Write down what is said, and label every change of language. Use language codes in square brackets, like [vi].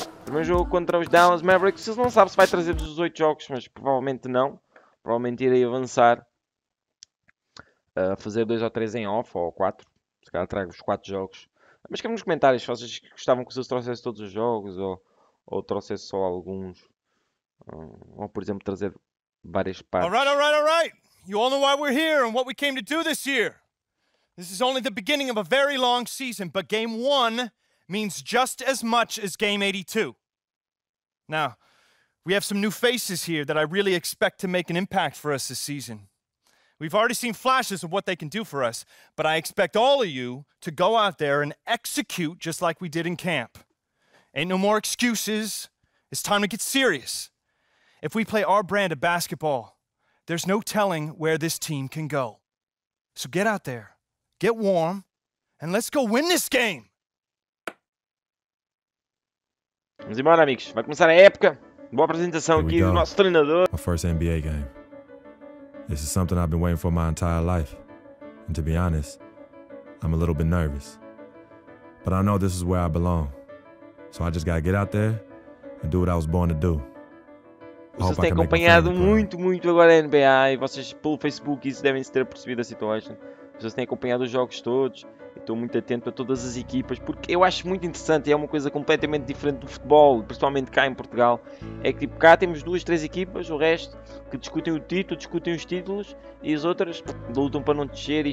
[pt] Primeiro jogo contra os Dallas Mavericks. Vocês não sabem se vai trazer os 8 jogos, mas provavelmente não. Provavelmente irei avançar a fazer 2 ou 3 em off, ou 4. Se calhar trago os 4 jogos. Mas quero nos comentários se vocês gostavam que vocês trouxessem todos os jogos, ou trouxesse só alguns. Ou por exemplo, trazer várias partes. [en] All right. You all know why we're here and what we came to do this year. This is only the beginning of a very long season, but game one means just as much as game 82. Now, we have some new faces here that I really expect to make an impact for us this season. We've already seen flashes of what they can do for us, but I expect all of you to go out there and execute just like we did in camp. Ain't no more excuses. It's time to get serious. If we play our brand of basketball, there's no telling where this team can go. So get out there, get warm, and let's go win this game! [pt] Vamos embora, amigos. Vai começar a época. Boa apresentação aqui do nosso treinador. [en] My first NBA game. This is something I've been waiting for my entire life. And to be honest, I'm a little bit nervous. But I know this is where I belong. So I just gotta get out there and do what I was born to do. [pt] Vocês têm acompanhado muito agora a NBA e vocês pelo Facebook isso devem ter percebido a situação. Vocês têm acompanhado os jogos todos. Estou muito atento a todas as equipas porque eu acho muito interessante. É uma coisa completamente diferente do futebol, principalmente cá em Portugal. É que tipo, cá temos duas, três equipas, o resto que discutem o título, discutem os títulos e as outras lutam para não descer.